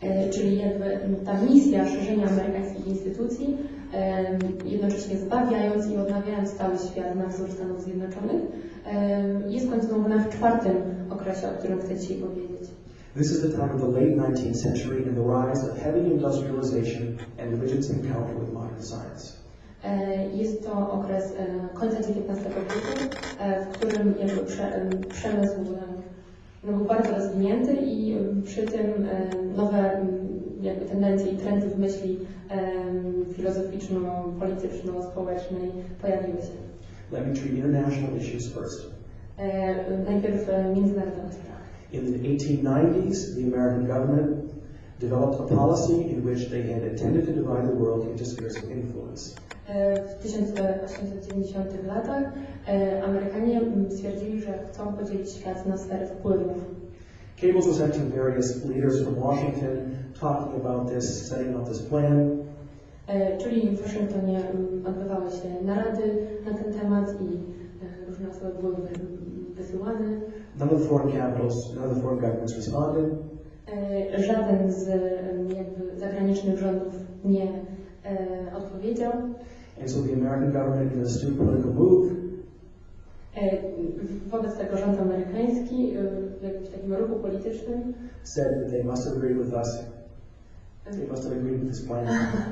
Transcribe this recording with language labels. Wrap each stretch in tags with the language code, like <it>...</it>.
<pl>Czyli jakby ta misja szerzenia amerykańskich instytucji, jednocześnie zbawiając i odnawiając cały świat na wzór Stanów Zjednoczonych, jest kontynuowana w czwartym okresie, o którym chcę dzisiaj powiedzieć.</pl> <en>This is the time of the late 19th century and the rise of heavy industrialization and religion's encounter with modern science.</en> <pl>Jest to okres końca XIX wieku, w którym jakby przemysł był bardzo rozwinięty i przy tym nowe jakby tendencje i trendy w myśli filozoficzno-polityczno-społecznej pojawiły się.</pl> <en>Let me treat international issues first.</en> <pl>Najpierw międzynarodowe sprawy.</pl> <en>In the 1890s, the American government developed a policy in which they had intended to divide the world into spheres of influence.</en> <pl>W 1890 latach Amerykanie stwierdzili, że chcą podzielić świat na sfery wpływów.</pl> <en>Cables were sent to various leaders from Washington talking about this, setting up this plan.</en> <pl>Czyli w Waszyngtonie odbywały się narady na ten temat i różne osoby były wysyłane.</pl> <en>None of the foreign capitals, none of the foreign governments responded.</en> <pl>Żaden z jakby zagranicznych rządów nie odpowiedział.</pl> <en>And so the American government in a astute political move.</en> <pl>Wobec tego rząd amerykański w jakimś takim ruchu politycznym,</pl> <en>said that they must have agreed with us. They must have agreed with this plan.</en>